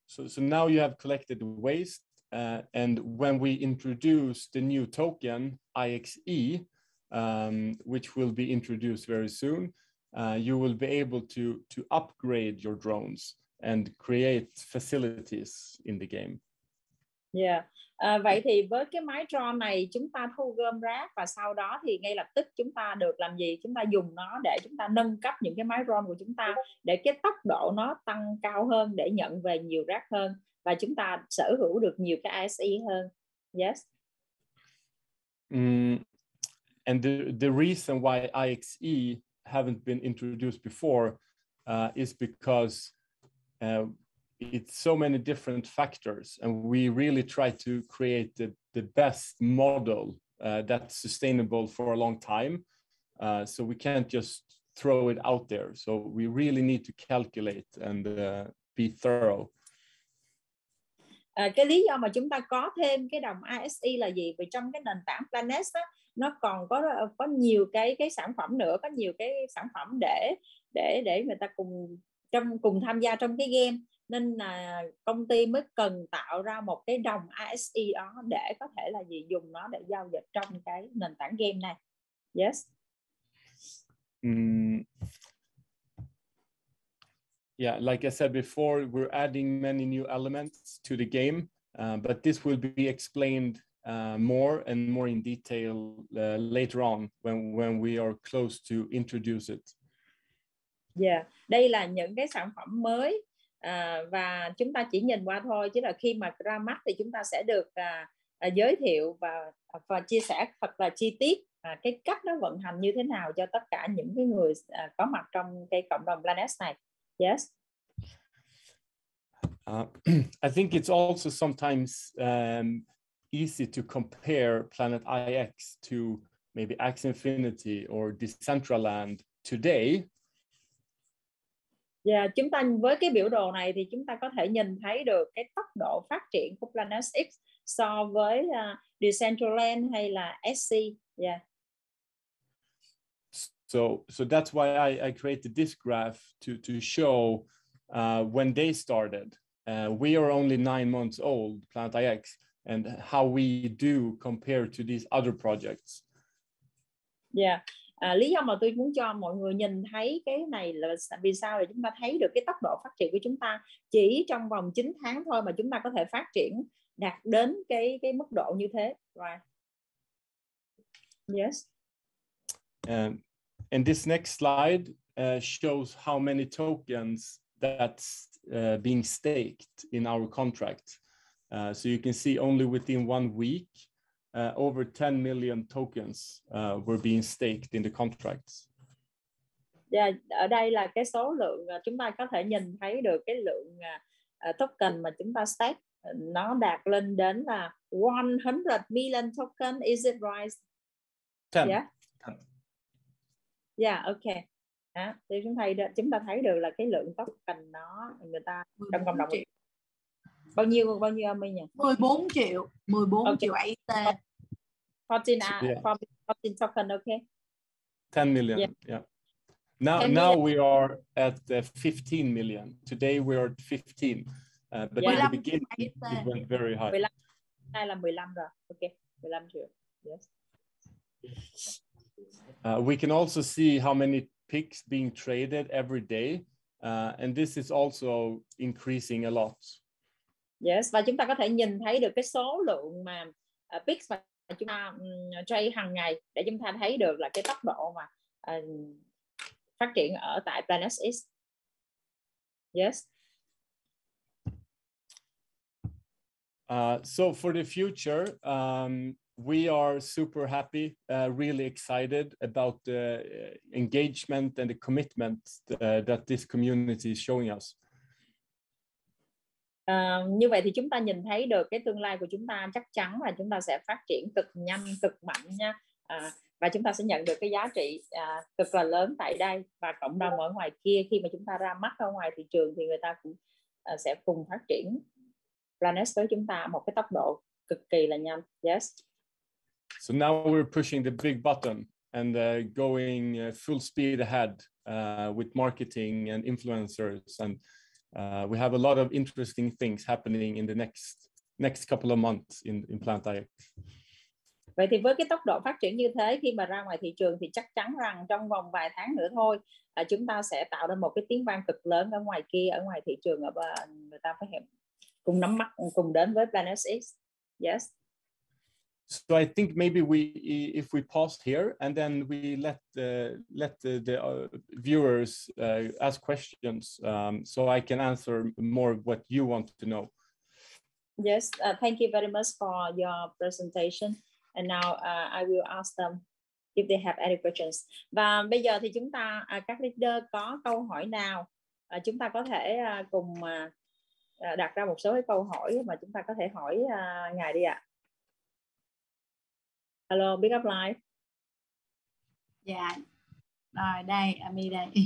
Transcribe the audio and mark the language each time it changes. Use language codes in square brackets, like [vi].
[en] So now you have collected waste, and when we introduce the new token, IXE, which will be introduced very soon, you will be able to upgrade your drones and create facilities in the game. Yeah. [vi] Vậy thì với cái máy drone này, chúng ta thu gom rác và sau đó thì ngay lập tức chúng ta được làm gì? Chúng ta dùng nó để chúng ta nâng cấp những cái máy drone của chúng ta, để cái tốc độ nó tăng cao hơn, để nhận về nhiều rác hơn và chúng ta sở hữu được nhiều cái ISE hơn. [en] Yes. And the reason why IXE haven't been introduced before is because it's so many different factors, and we really try to create the best model that's sustainable for a long time. So we can't just throw it out there. So we really need to calculate and be thorough. [vi] Cái lý do mà chúng ta có thêm cái đồng ISE là gì? Vì trong cái nền tảng Planet đó, nó còn có nhiều cái sản phẩm nữa, có nhiều cái sản phẩm để người ta cùng tham gia trong cái game. Nên là công ty mới cần tạo ra một cái đồng ISE đó để có thể là gì, dùng nó để giao dịch trong cái nền tảng game này. [en] Yes. Yeah, like I said before, we're adding many new elements to the game, but this will be explained more and more in detail later on when we are close to introduce it. [vi] Yeah, đây là những cái sản phẩm mới. Và chúng ta chỉ nhìn qua thôi, chứ là khi mà ra mắt thì chúng ta sẽ được giới thiệu và chia sẻ thật là chi tiết cái cách nó vận hành như thế nào cho tất cả những cái người có mặt trong cái cộng đồng Planet này. [en] Yes. I think it's also sometimes easy to compare Planet IX to maybe Axie Infinity or Decentraland today. [vi] Yeah, chúng ta với cái biểu đồ này thì chúng ta có thể nhìn thấy được cái tốc độ phát triển của Planet X so với Decentraland hay là SC. [en] Yeah. So that's why I created this graph to show when they started. We are only 9 months old, Planet IX, and how we do compare to these other projects. Yeah. [vi] Lý do mà tôi muốn cho mọi người nhìn thấy cái này là vì sao là chúng ta thấy được cái tốc độ phát triển của chúng ta chỉ trong vòng 9 tháng thôi mà chúng ta có thể phát triển đạt đến cái mức độ như thế. [en] Right. Yes. And this next slide shows how many tokens that's being staked in our contract. So you can see only within 1 week, over 10 million tokens were being staked in the contracts. [vi] Yeah, ở đây là cái số lượng chúng ta có thể nhìn thấy được cái lượng token mà chúng ta stake nó đạt lên đến là [en] 100 million token. Is it right? 10. Yeah. Yeah, okay. [vi] À, thì chúng ta thấy được là cái lượng token nó người ta trong cộng đồng bao nhiêu âm nhỉ? 14 triệu AET. 14 14 token, okay. [en] 10 million. Yeah. Yeah. Now we are at 15 million. Today we are at 15. But yeah. In the beginning it went very high. 15. [vi] Đây là 15 rồi. Okay. 15 triệu. Yes. [en] We can also see how many picks being traded every day, and this is also increasing a lot. [vi] Yes, và chúng ta có thể nhìn thấy được cái số lượng mà picks mà chúng ta trade hàng ngày để chúng ta thấy được là cái tốc độ mà phát triển ở tại Planet X. [en] Yes. So for the future. We are super happy, really excited about the engagement and the commitment that this community is showing us. [vi] Như vậy thì chúng ta nhìn thấy được cái tương lai của chúng ta chắc chắn là chúng ta sẽ phát triển cực nhanh, cực mạnh nha. Và chúng ta sẽ nhận được cái giá trị cực là lớn tại đây và cộng đồng ở ngoài kia khi mà chúng ta ra mắt ở ngoài thị trường thì người ta cũng sẽ cùng phát triển Planet với chúng ta một cái tốc độ cực kỳ là nhanh. [en] Yes. So now we're pushing the big button and going full speed ahead with marketing and influencers, and we have a lot of interesting things happening in the next couple of months in Planet IX. [vi] Vậy thì với cái tốc độ phát triển như thế khi mà ra ngoài thị trường thì chắc chắn rằng trong vòng vài tháng nữa thôi chúng ta sẽ tạo ra một cái tiếng vang cực lớn ở ngoài kia, ở ngoài thị trường, ở người ta phải cùng nắm mắt, cùng đến với Planet IX. [en] Yes. So I think maybe if we pause here and then we let the viewers ask questions, so I can answer more of what you want to know. Yes, thank you very much for your presentation. And now I will ask them if they have any questions. [vi] Và bây giờ thì chúng ta các leader có câu hỏi nào, chúng ta có thể cùng đặt ra một số cái câu hỏi mà chúng ta có thể hỏi ngài đi ạ. [en] Hello, big up live. [vi] Yeah. Rồi đây, Ami đây.